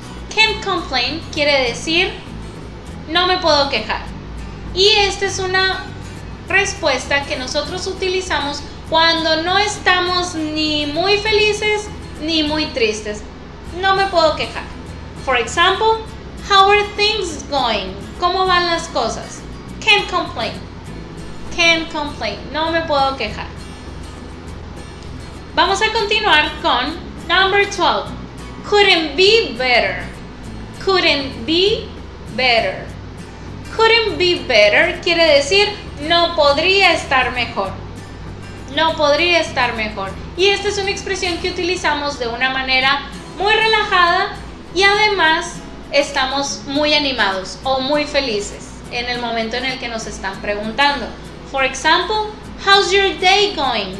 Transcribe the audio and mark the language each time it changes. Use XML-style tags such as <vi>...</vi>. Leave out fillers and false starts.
<en>Can't complain</en> <es>quiere decir no me puedo quejar. Y esta es una respuesta que nosotros utilizamos cuando no estamos ni muy felices ni muy tristes. No me puedo quejar.</es> <en>For example, how are things going?</en> <es>¿Cómo van las cosas?</es> <en>Can't complain. Can't complain.</en> <es>No me puedo quejar. Vamos a continuar con</es> <en>number 12. Couldn't be better. Couldn't be better. Couldn't be better</en> <es>quiere decir no podría estar mejor. No podría estar mejor. Y esta es una expresión que utilizamos de una manera muy relajada. Y además, estamos muy animados o muy felices en el momento en el que nos están preguntando.</es> <en>For example, how's your day going?</en>